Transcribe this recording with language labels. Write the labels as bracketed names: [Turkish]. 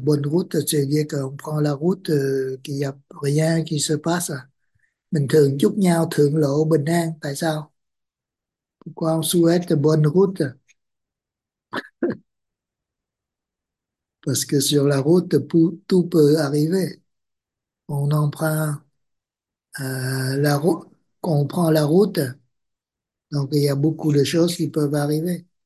[French] Bonne route, c'est-à-dire qu'on prend la route qu'il n'y a rien qui se passe. [Vietnamese] Mình thường chúc nhau thượng lộ bình an. Tại sao? [French] Pourquoi on souhaite bonne route? Parce que sur la route, tout peut arriver. On emprunte la route, quand on prend la route, donc il y a beaucoup de choses qui peuvent arriver.